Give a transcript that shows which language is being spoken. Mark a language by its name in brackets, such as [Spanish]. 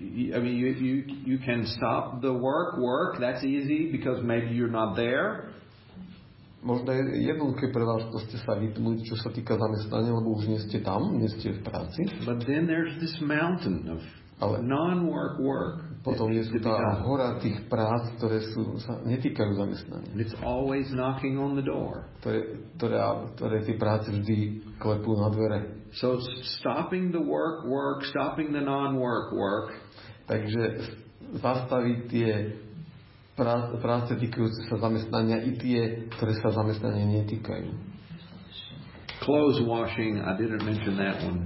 [English] You can stop the work, that's easy because maybe you're not there. [Slovak] Možno je jednoduché pre vás, to ste sa vypnúť, čo sa týka zamestnania, lebo už nie ste tam, nie ste v práci. [English] But then there's this mountain of non-work. [Slovak] Potom je tu tá hora tých prác, ktoré sú, sa netýkajú zamestnania. [English] It's always knocking on the door. [Slovak] Ktoré tie práce vždy klepú na dvere. [English] So stopping the work, stopping the non-work. [Slovak] Takže zastaviť tie práce týkajúce sa zamestnania i tie, ktoré sa zamestnania netýkajú. [English] Clothes washing, I didn't mention that one.